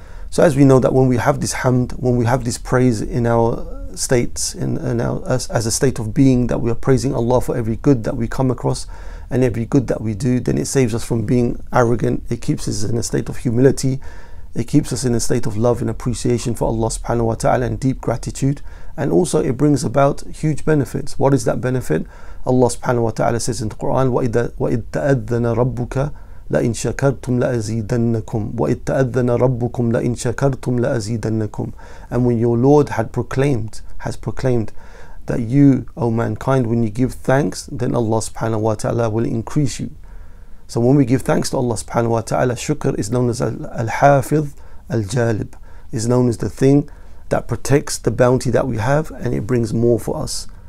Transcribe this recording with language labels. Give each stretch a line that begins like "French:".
English: So as we know that when we have this hamd, when we have this praise in our states, as a state of being, that we are praising Allah for every good that we come across and every good that we do, then it saves us from being arrogant. It keeps us in a state of humility. It keeps us in a state of love and appreciation for Allah subhanahu wa ta'ala and deep gratitude. And also it brings about huge benefits. What is that benefit? Allah subhanahu wa ta'ala says in the Qur'an,
Arabic: وَإِذْ تَأَذَّنَ رَبُّكَ لَإِنْ شَكَرْتُمْ لَأَزِيدَنَّكُمْ وَإِذْ تَأَذَّنَ رَبُّكُمْ لَإِنْ شَكَرْتُمْ لَأَزِيدَنَّكُمْ.
English: And when your Lord has proclaimed that you, O mankind, when you give thanks, then Allah subhanahu wa ta'ala will increase you. So when we give thanks to Allah subhanahu wa ta'ala, shukr is known as al-hafidh al-jalib, is known as the thing that protects the bounty that we have and it brings more for us.